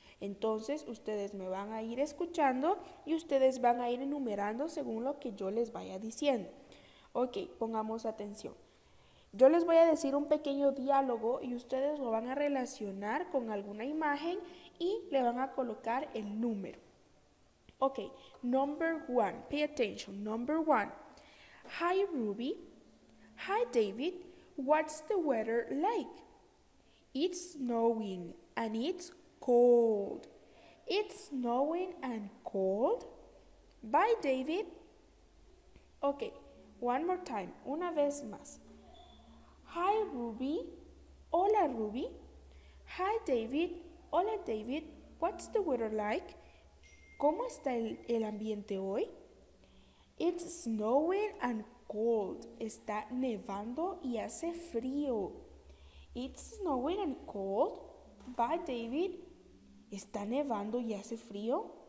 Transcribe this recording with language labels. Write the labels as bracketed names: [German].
[Spanish] Entonces, ustedes me van a ir escuchando y ustedes van a ir enumerando según lo que yo les vaya diciendo. Ok, pongamos atención. Yo les voy a decir un pequeño diálogo y ustedes lo van a relacionar con alguna imagen y le van a colocar el número. [English] Okay, number one, pay attention. Number one, hi Ruby, hi David, what's the weather like? It's snowing and it's cold. It's snowing and cold? Bye, David. Okay, one more time, [Spanish] una vez más. [English] Hi Ruby, hola Ruby, hi David, hola David, what's the weather like? [Spanish] ¿Cómo está el ambiente hoy? [English] It's snowing and cold. [Spanish] Está nevando y hace frío. [English] It's snowing and cold. Bye, David. [Spanish] Está nevando y hace frío.